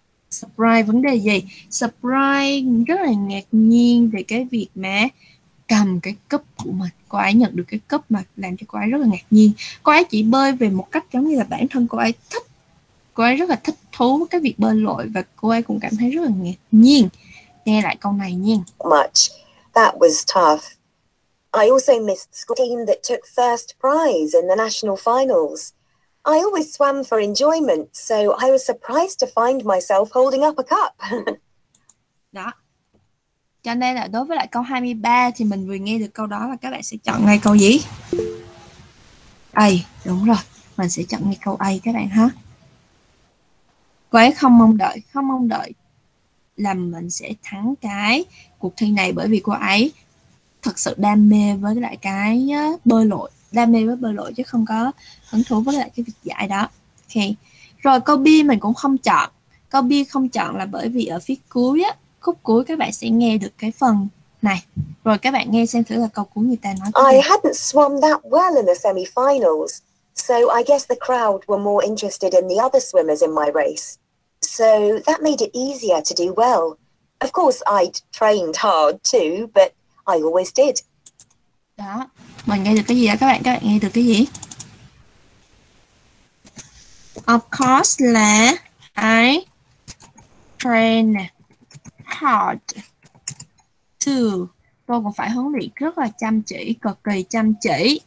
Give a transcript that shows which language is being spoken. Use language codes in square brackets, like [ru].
[vi] Surprise vấn đề gì? Surprise rất là ngạc nhiên về cái việc mà cầm cái cúp của mình. Cô ấy nhận được cái cúp mà làm cho cô ấy rất là ngạc nhiên. Cô ấy chỉ bơi về một cách giống như là bản thân cô ấy thích. Cô ấy rất là thích thú với cái việc bơi lội và cô ấy cũng cảm thấy rất là ngạc nhiên. Nghe lại câu này nha. [en] Much. That was tough. I also missed the team that took first prize in the national finals. I always swam for enjoyment, so I was surprised to find myself holding up a cup. [vi] Đó. Cho nên là đối với lại câu 23 thì mình vừa nghe được câu đó là các bạn sẽ chọn ngay câu gì? A, đúng rồi. Mình sẽ chọn ngay câu A các bạn ha. Cô ấy không mong đợi là mình sẽ thắng cái cuộc thi này bởi vì cô ấy thật sự đam mê với lại cái bơi lội. Đam mê với bơi lội chứ không có hứng thú với lại cái việc giải đó. Okay. Rồi câu B mình cũng không chọn. Câu B không chọn là bởi vì ở phía cuối á, khúc cuối các bạn sẽ nghe được cái phần này. Rồi các bạn nghe xem thử là câu cuối người ta nói. [en] I hadn't swum that well in the semi-finals, so I guess the crowd were more interested in the other swimmers in my race. So that made it easier to do well. Of course I'd trained hard too, but I always did. [vi] Đó, mình nghe được cái gì đó các bạn nghe được cái gì? [en] Of course là I train hard to. [vi] Tôi cũng phải huấn luyện rất là chăm chỉ, cực kỳ chăm chỉ.